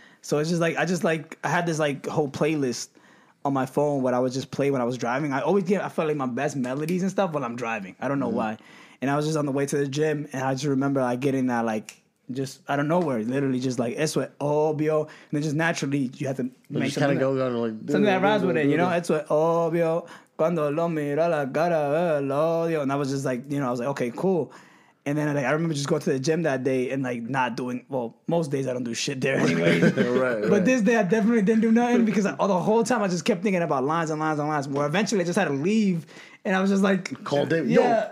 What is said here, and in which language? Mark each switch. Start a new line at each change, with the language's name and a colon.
English: So it's just like, I just like, I had this like whole playlist on my phone where I would just play when I was driving. I always get, I felt like my best melodies and stuff when I'm driving. I don't know why. And I was just on the way to the gym, and I just remember like getting that like, just out of nowhere, literally just like, eso es obvio. And then just naturally, you have to make just something, kinda that, go, like, something that rhymes with it, you know?
Spanish: Eso es obvio. Cuando lo mira la cara, el odio.
English: And I was just like, you know, I was like, okay, cool. And then like, I remember just going to the gym that day and like not doing, well, most days I don't do shit there anyway. right. This day I definitely didn't do nothing because all the whole time I just kept thinking about lines and lines and lines. Where eventually I just had to leave and I was just like, call David. Yeah.